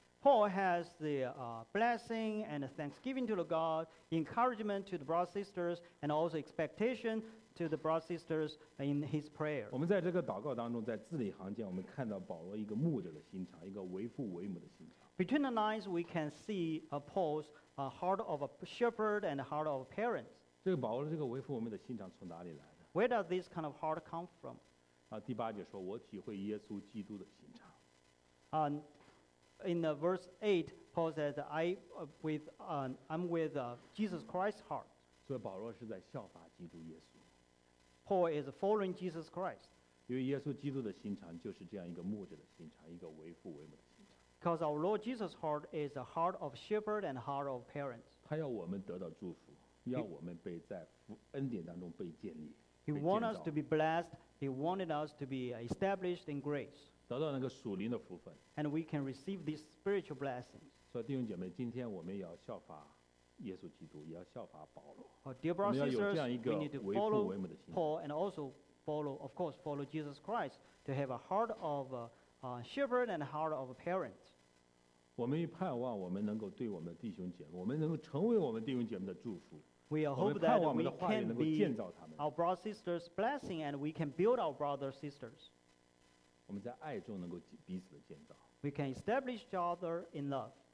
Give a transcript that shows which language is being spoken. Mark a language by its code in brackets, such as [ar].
[en] Paul has the blessing and thanksgiving to the God, encouragement to the brothers and sisters, and also expectation. To the brothers and sisters in his prayer. [zh] 我们在这个祷告当中，在字里行间，我们看到保罗一个牧者的心肠，一个为父为母的心肠。 [en] Between the lines, we can see a Paul's a heart of a shepherd and a heart of parents. [zh] 这个保罗这个为父为母的心肠从哪里来的 [en] ？Where does this kind of heart come from? [zh] 啊，第八节说，我体会耶稣基督的心肠。 [en] In the verse 8, Paul says, "I'm with Jesus Christ's heart." [zh] 所以保罗是在效法基督耶稣。 [en] Paul is following Jesus Christ. [zh] 因为耶稣基督的心肠就是这样一个牧者的心肠，一个为父为母的心肠。 [en] Because our Lord Jesus' heart is a heart of shepherd and heart of parents. [zh] 他要我们得到祝福，要我们被在恩典当中被建立。 [en] He wanted us to be blessed. He wanted us to be established in grace. [zh] 得到那个属灵的福分。 [en] And we can receive these spiritual blessings. [zh] 所以弟兄姐妹，今天我们也要效法耶稣基督，也要效法保罗。 [en] Oh, dear brothers and sisters, we need to follow Paul and also follow, of course, follow Jesus Christ to have a heart of a shepherd and a heart of a parent. [zh] 我们盼望我们能够对我们的弟兄姐妹，我们能够成为我们弟兄姐妹的祝福。 [en] We hope that we can be our brothers and sisters' blessing and we can build our brothers and sisters. We can establish each other in love.